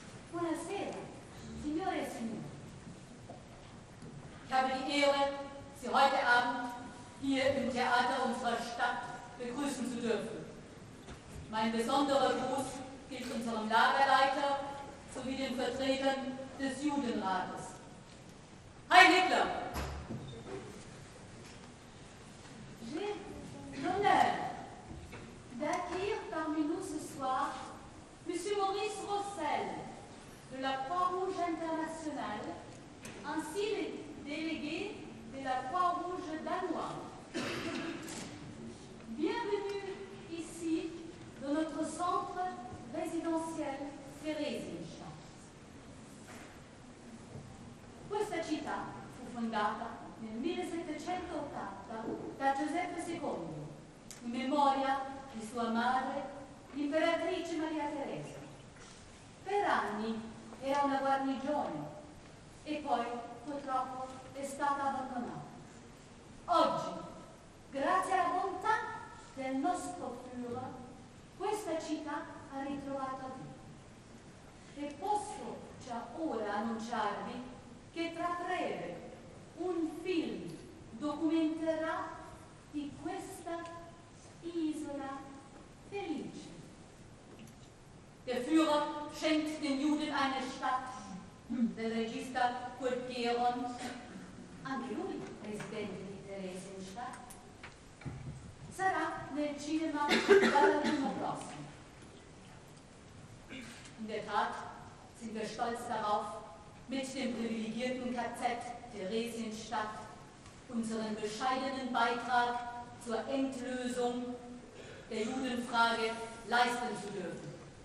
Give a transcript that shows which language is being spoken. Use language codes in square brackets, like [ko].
[it] Buonasera, signore e signori. [de] Ich habe die Ehre, Sie heute Abend hier im Theater unserer Stadt begrüßen zu dürfen. Mein besonderer Gruß gilt unserem Lagerleiter sowie den Vertretern des Judenrates. Heil Hitler! [fr] J'ai l'honneur d'accueillir parmi nous ce soir M. Maurice Rossel de la Croix-Rouge internationale, ainsi les délégués de la Croix-Rouge danoise. Bienvenue ici dans notre centre résidentiel Theresienstadt. [it] Questa città fu fondata nel 1780 da Giuseppe II, in memoria di sua madre, l'imperatrice Maria Teresa. Per anni era una guarnigione e poi, purtroppo, è stata abbandonata. Oggi, grazie alla bontà del nostro Führer, questa città ha ritrovato vita. E posso già ora annunciarvi che tra breve un film documenterà di questa isola felice. [de] Der Führer schenkt den Juden eine Stadt. Der Regista Kurt Gehron. [it] Anche lui, presidente di Theresienstadt, sarà nel cinema dall'anno prossimo. [de] In der Tat sind wir stolz darauf, mit dem privilegierten KZ Theresienstadt unseren bescheidenen Beitrag zur Endlösung der Judenfrage leisten zu dürfen.